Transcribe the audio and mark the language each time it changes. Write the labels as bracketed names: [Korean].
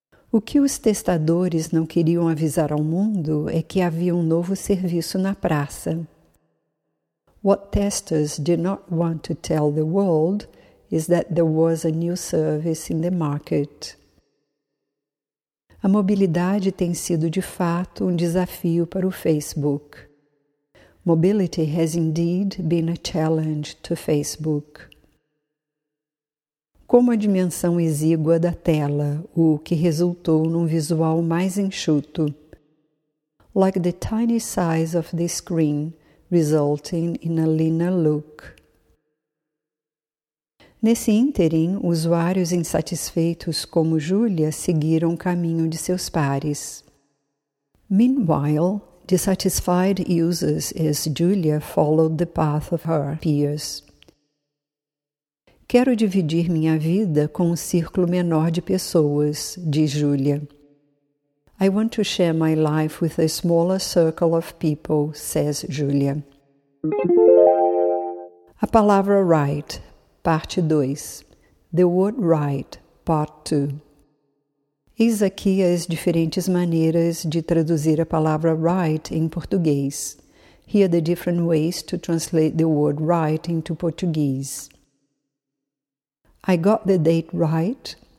[Portuguese] O que os testadores não queriam avisar ao mundo é que havia um novo serviço na praça. [English] What testers did not want to tell the world is that there was a new service in the market. [Portuguese] A mobilidade tem sido, de fato, um desafio para o Facebook. [English] Mobility has indeed been a challenge to Facebook. [Portuguese] Como a dimensão exígua da tela, o que resultou num visual mais enxuto. [English] Like the tiny size of the screen, resulting in a leaner look. [Portuguese] Nesse ínterim, usuários insatisfeitos como Júlia seguiram o caminho de seus pares. [English] Meanwhile, dissatisfied users as Julia followed the path of her peers. [Portuguese] Quero dividir minha vida com um círculo menor de pessoas, diz Júlia. [English] I want to share my life with a smaller circle of people, says Julia. [Portuguese] A palavra right, parte 2. [English] The word right, part 2. [Portuguese] Eis aqui as diferentes maneiras de traduzir a palavra right em português. [English] Here are the different ways to translate the word right into Portuguese. I got the date right.